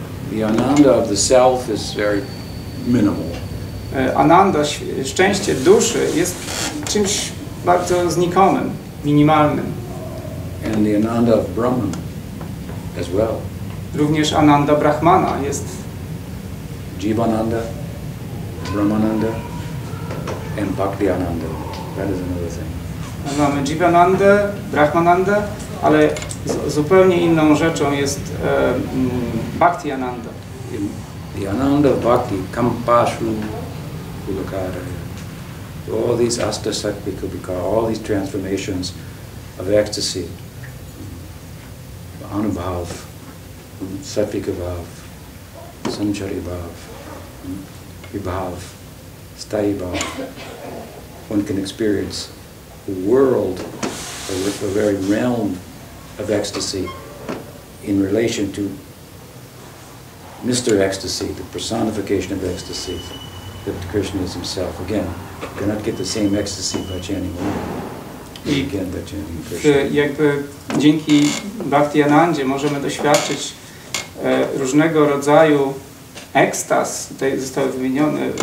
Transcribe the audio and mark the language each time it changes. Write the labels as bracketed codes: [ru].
[en] The ananda of the self is very minimal. [pl] Ananda, szczęście duszy, jest czymś bardzo znikomym, minimalnym. [en] And the ananda of Brahman as well. [pl] Również ananda Brahmana jest. [en] Jivananda, Brahmananda, and Bhaktiananda. That is another thing. [pl] Mamy Jivananda, Brahmananda, ale zupełnie inną rzeczą jest Bhaktiananda. [en] The ananda of Bhakti, Kampashru, Kulakara, all these astasakvikubhika, all these transformations of ecstasy, anubhav, satvikubhav, sancharibhav, vibhav, sthayibhav, one can experience a world, a very realm of ecstasy in relation to Mr. Ecstasy, the personification of ecstasy, that Krishna is himself. Again, you cannot get the same ecstasy by chanting one. Again, by chanting Krishna. [pl] Jakby dzięki Bhakti Anandzie możemy doświadczyć różnego rodzaju ekstaz, tutaj zostały wymienione